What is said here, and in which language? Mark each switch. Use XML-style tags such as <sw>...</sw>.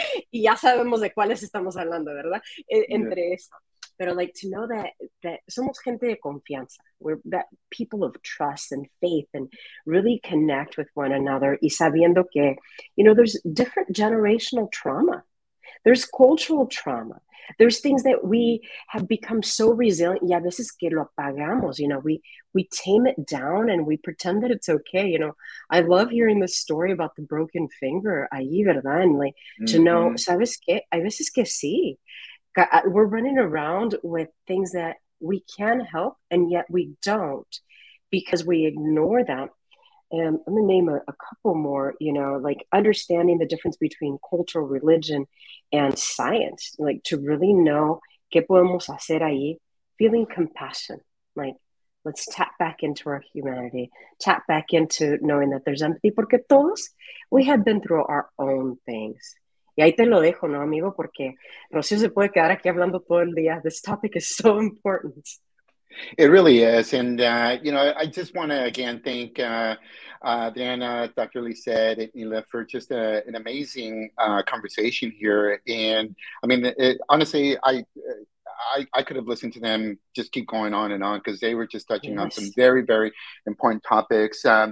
<es>Y ya sabemos de cuáles estamos hablando, ¿verdad? Entre eso.</es> <en>But like to know that</en> <es>somos gente de confianza,</es> <en>we're that people of trust and faith and really connect with one another</en> <es>y sabiendo que,</es> <en>you know, there's different generational trauma. There's cultural trauma. There's things that we have become so resilient. Yeah, this is</en> <es>que lo apagamos.</es> <en>You know, we tame it down and we pretend that it's okay. You know, I love hearing the story about the broken finger,</en> <es>ahí, ¿verdad?</es> <en>And like to know,</en> <es>¿sabes qué? A veces que sí.</es> <en>We're running around with things that we can help and yet we don't because we ignore them. And I'm going to name a couple more, you know, like understanding the difference between cultural religion and science, like to really know</en> <es>qué podemos hacer ahí,</es> <en>feeling compassion, like let's tap back into our humanity, tap back into knowing that there's empathy,</en> <es>porque todos</es> <en>we have been through our own things.</en> <es>Y ahí te lo dejo, ¿no, amigo? Porque Rocío se puede quedar aquí hablando todo el día.</es> <en>This topic is so important. It really is. And, you know, I just want to, again, thank Adriana, Dr. Lissette, and Nila for just an amazing conversation here. And, I mean, honestly, I could have listened to them just keep going on and on because they were just touching on some very, very important topics.</en>